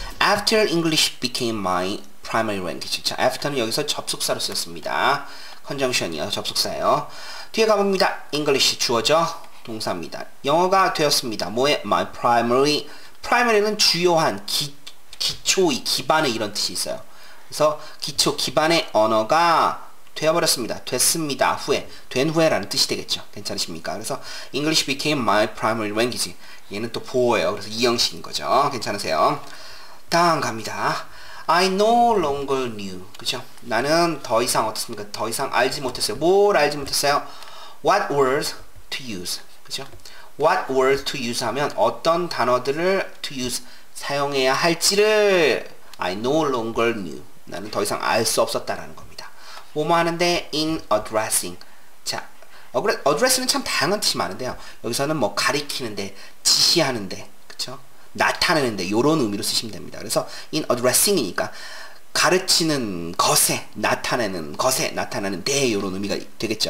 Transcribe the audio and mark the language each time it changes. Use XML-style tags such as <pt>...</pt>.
<en>After English became my primary language.</en> <ko>자, after는 여기서 접속사로 쓰였습니다. conjunction이요. 접속사예요. 뒤에 가봅니다. English 주어죠. 동사입니다. 영어가 되었습니다. 뭐에?</ko> <en>My primary.</en> <ko>primary는 주요한, 기초의, 기반의 이런 뜻이 있어요. 그래서 기초, 기반의 언어가 되어버렸습니다. 됐습니다. 후에. 된 후에라는 뜻이 되겠죠. 괜찮으십니까? 그래서</ko> <en>English became my primary language.</en> <ko>얘는 또 보어예요. 그래서 2형식인 거죠. 괜찮으세요? 다음 갑니다.</ko> <en>I no longer knew.</en> <ko>그죠? 나는 더 이상 어떻습니까? 더 이상 알지 못했어요. 뭘 알지 못했어요?</ko> <en>What words to use.</en> <ko>그죠?</ko> <en>What words to use</en> <ko>하면 어떤 단어들을</ko> <en>to use</en> <ko>사용해야 할지를</ko> <en>I no longer knew.</en> <ko>나는 더 이상 알 수 없었다라는 겁니다. 뭐뭐 하는데?</ko> <en>In addressing.</en> <ko>자, address는 참 다양한 뜻이 많은데요. 여기서는 뭐 가리키는데, 지시하는데, 그쵸? 나타내는데, 요런 의미로 쓰시면 됩니다. 그래서</ko> <en>in addressing</en> <ko>이니까 가르치는 것에, 나타내는 것에, 나타내는 데, 요런 의미가 되겠죠.</ko>